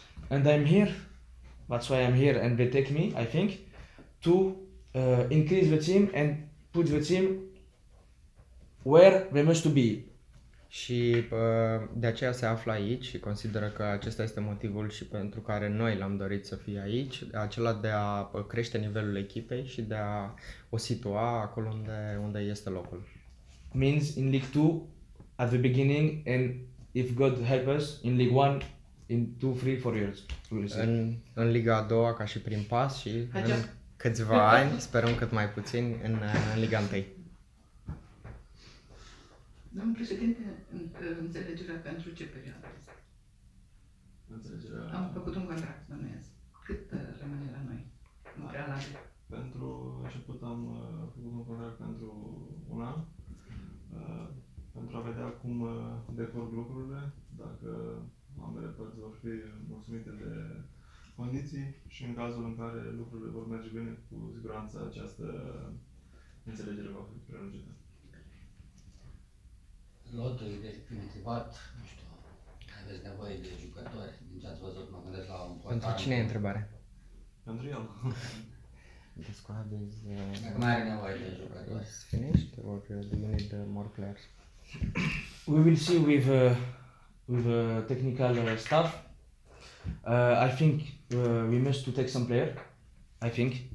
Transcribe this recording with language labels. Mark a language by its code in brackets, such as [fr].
[en] And I'm here, that's why I'm here, and they take me, I think, to increase the team and put the team where we must to be. [ro] Și de aceea se află aici și consideră că acesta este motivul și pentru care noi l-am dorit să fie aici, acela de a crește nivelul echipei și de a o situa acolo unde este locul. [en] Means in League 2 at the beginning and if God help us in League 1 in 2 3 4 years. [ro] În Liga a doua ca și prin pas și în câțiva ani, sperăm cât mai puțin în Liga 1. Domnul președinte, înțelegerea pentru ce perioadă? Am făcut un contract, bănuiesc. Cât rămâne la noi? Pentru început am făcut un contract pentru un an, pentru a vedea cum decurg lucrurile, dacă ambele părți vor fi mulțumite de condiții și în cazul în care lucrurile vor merge bine, cu siguranță această înțelegere va fi prelungită. Lotul este cultivat, nu știu, aveți nevoie de jucători, din ce ați văzut, mă gândesc la un portal. Pentru cine e întrebare? Pentru el. [en] The squad is... [ro] Acum are nevoie de jucători. [en] It's finished or do you need more players? We will see with technical staff. I think we must to take some player, I think.